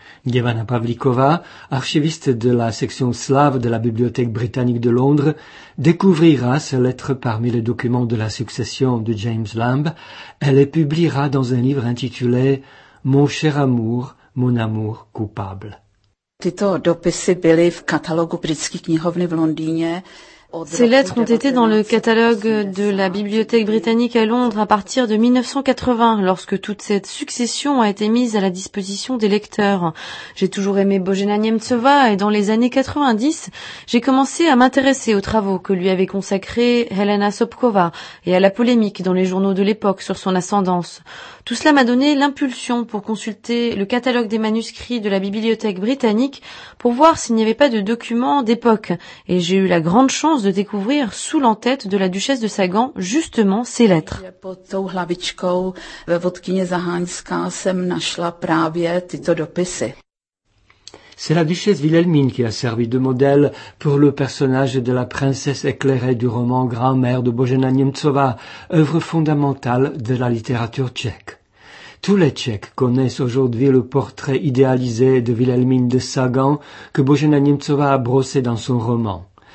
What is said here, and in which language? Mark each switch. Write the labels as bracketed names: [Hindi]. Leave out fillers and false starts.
[French] Gevanna Pavlikova, archiviste de la section slave de la Bibliothèque britannique de Londres, découvrira ces lettres parmi les documents de la succession de James Lamb. Elle les publiera dans un livre intitulé « Mon cher amour ». Mon amour coupable. [Czech] Tyto dopisy byly v katalogu britské knihovny v Londýně. [French] Ces lettres ont été dans le catalogue de la Bibliothèque britannique à Londres à partir de 1980, lorsque toute cette succession a été mise à la disposition des lecteurs. J'ai toujours aimé Bojena Nemtsova et dans les années 90, j'ai commencé à m'intéresser aux travaux que lui avait consacrés Helena Sobkova et à la polémique dans les journaux de l'époque sur son ascendance. Tout cela m'a donné l'impulsion pour consulter le catalogue des manuscrits de la Bibliothèque britannique pour voir s'il n'y avait pas de documents d'époque. Et j'ai eu la grande chance de découvrir sous l'entête de la duchesse de Sagan justement ses lettres. [Czech] Pod tou hlavičkou ve vodkyně Zahánská jsem našla právě tyto dopisy. [French] C'est la duchesse Wilhelmine qui a servi de modèle pour le personnage de la princesse éclairée du roman Grand-mère de Božena Němcová, œuvre fondamentale de la littérature tchèque. Tous les Tchèques connaissent aujourd'hui le portrait idéalisé de Wilhelmine de Sagan que Božena Němcová a brossé dans son roman.